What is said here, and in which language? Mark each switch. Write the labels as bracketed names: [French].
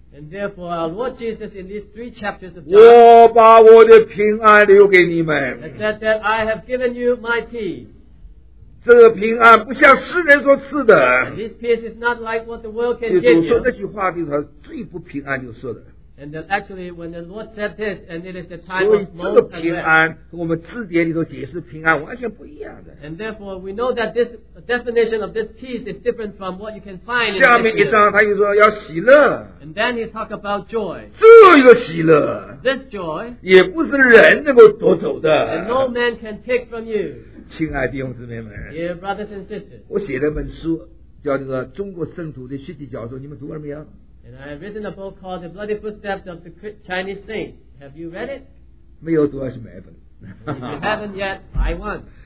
[English] and therefore our Lord Jesus in these three chapters of John, [Chinese] 我把我的平安留给你们, [English] has said that I have given you my peace. [Chinese] 这平安不像世人所赐的, [English] and this peace is not like what the world can give you. [Chinese] 基督说这句话就是最不平安就是的, [English] And then actually when the Lord said this, and it is the time of moment. And therefore we know that this definition of this peace is different from what you can find in the Bible. [Chinese] 下面一章他就说要喜乐, [English] and then he talked about joy. [Chinese] 这个喜乐, [English] this joy, [Chinese] 也不是人能够夺走的, [English] and no man can take from you. [Chinese] 亲爱弟兄姊妹们, [English] dear brothers and sisters, [Chinese] 我写了一本书, 叫这个中国圣徒的血迹脚书, 你们读了没有? [English] And I have written a book called The Bloody Footsteps of the Chinese Saints. Have you read it? [Chinese] 没有读还是买一本。 [English] If you haven't yet, buy one.